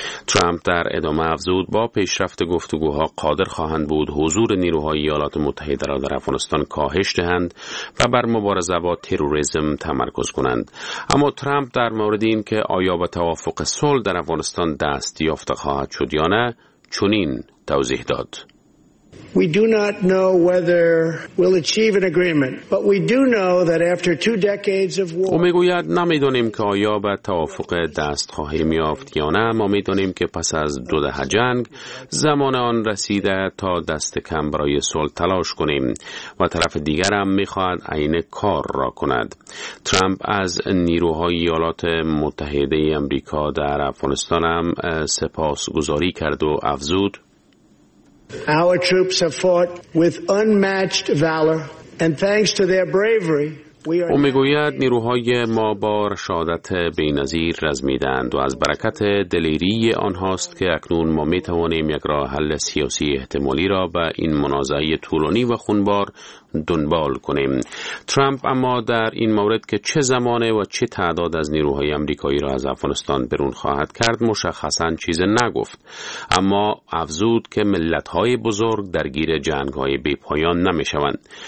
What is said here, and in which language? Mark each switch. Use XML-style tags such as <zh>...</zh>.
<fa>ترامپ در ادامه افزود با پیشرفت گفتگوها قادر خواهند بود حضور نیروهای ایالات متحده را در افغانستان کاهش دهند و بر مبارزه با تروریسم تمرکز کنند. اما ترامپ در مورد این که آیا به توافق صلح در افغانستان دست یافته خواهد شد یا نه چنین توضیح داد.</fa> <en>We do not know whether we'll achieve an agreement, but we do know that after two decades of war.</en> <fa>او میگوید نمیدونیم که آیا به توافق دست خواهیم یافت یا نه، اما میدونیم که پس از دو دهه جنگ زمان آن رسیده تا دست کم برای صلح تلاش کنیم و طرف دیگر هم میخواهد عین کار را کند. ترامپ از نیروهای ایالات متحده آمریکا در افغانستان هم سپاسگزاری کرد و افزود</fa> <en>Our troops have fought with unmatched valor, and thanks to their bravery, we are.</en> <fa>او میگوید نیروهای ما با رشادت بی‌نظیر رزمیدند و از برکت دلیری آنهاست که اکنون ما میتوانیم یک راه حل سیاسی احتمالی را به این منازعه طولانی و خونبار دنبال کنیم. ترامپ اما در این مورد که چه زمانه و چه تعداد از نیروهای آمریکایی را از افغانستان برون خواهد کرد مشخصاً چیز نگفت، اما افزود که ملت‌های بزرگ درگیر جنگ‌های بی‌پایان نمی‌شوند.</fa>